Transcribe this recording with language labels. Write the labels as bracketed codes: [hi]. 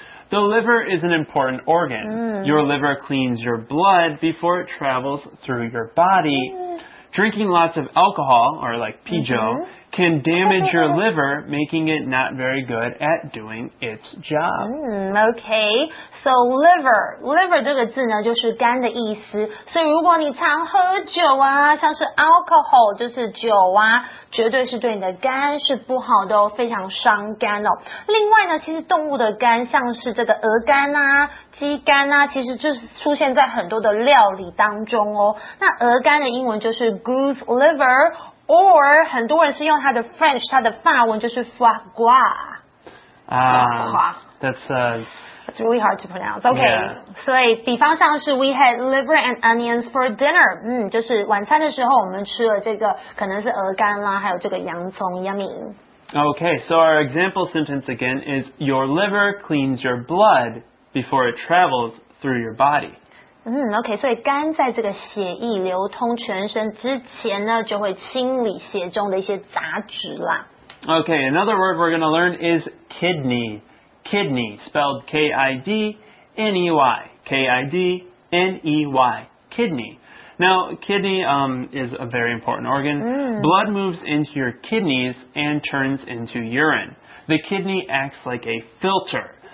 [en] The liver is an important organ. Your liver cleans your blood before it travels through your body. Drinking lots of alcohol, or like pijo, can damage your liver, making it not very good at doing its job. [zh] Okay, so liver 这个字呢就是肝的意思。所以如果你常喝酒啊，像是 alcohol 就是酒啊，绝对是对你的肝是不好的哦，非常伤肝哦。另外呢，其实动物的肝，像是这个鹅肝啊、鸡肝啊，其实就是出现在很多的料理当中哦。那鹅肝的英文就是 goose liver。Or, 很多人是用它的 French, 它的法文就是 foie gras. [en] That's really hard to pronounce. Okay,、 yeah. [zh] 所以比方像是 [en] we had liver and onions for dinner. [zh] 就是晚餐的时候我们吃了这个可能是鹅肝啦还有这个洋葱 yummy. [en] Okay, so our example sentence again is your liver cleans your blood before it travels through your body. [zh] Okay, 所以肝在这个血液流通全身之前呢就会清理血中的一些杂质啦。 [en] Okay, another word we're going to learn is kidney. Kidney, spelled K-I-D-N-E-Y. K-I-D-N-E-Y. Kidney. Now, kidney, is a very important organ. Blood moves into your kidneys and turns into urine. The kidney acts like a filter.